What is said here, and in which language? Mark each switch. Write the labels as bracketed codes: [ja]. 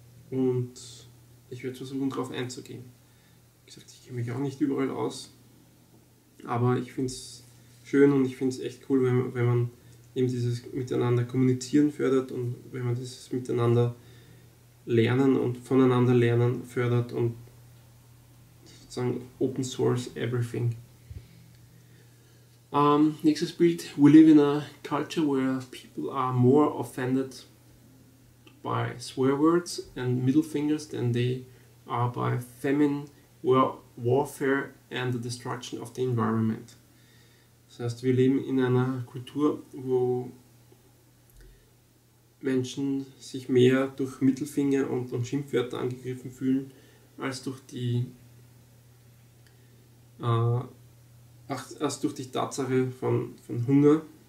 [de] Und ich werde versuchen, darauf einzugehen. Wie gesagt, ich kenne mich auch nicht überall aus, aber ich finde es schön und ich finde es echt cool, wenn man eben dieses Miteinander kommunizieren fördert und wenn man dieses Miteinander lernen und voneinander lernen fördert und sozusagen [en] Open Source Everything. [de] Nächstes Bild. [en] We live in a culture where people are more offended by swear words and middle fingers than they are by famine, warfare and the destruction of the environment. [de] Das heißt, wir leben in einer Kultur, wo Menschen sich mehr durch Mittelfinger und Schimpfwörter angegriffen fühlen, als durch die erst durch die Tatsache von Hunger.